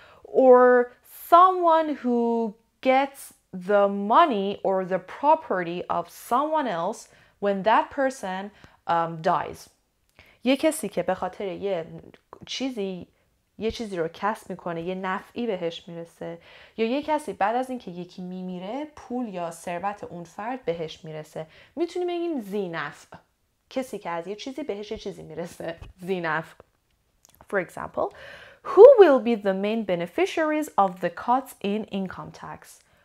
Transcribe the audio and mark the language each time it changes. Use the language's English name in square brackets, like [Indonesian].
[English] Or someone who gets the money or the property of someone else when that person dies. [Persian] یه کسی که به خاطر یه چیزی رو کسب میکنه، یه نفعی بهش میرسه، یا یه کسی بعد از اینکه یکی میمیره پول یا ثروت اون فرد بهش میرسه. میتونیم بگیم زی نفع، کسی که از یه چیزی بهش یه چیزی میرسه، زی نفع. [English] For example, who will be the main beneficiaries of the cuts in income tax?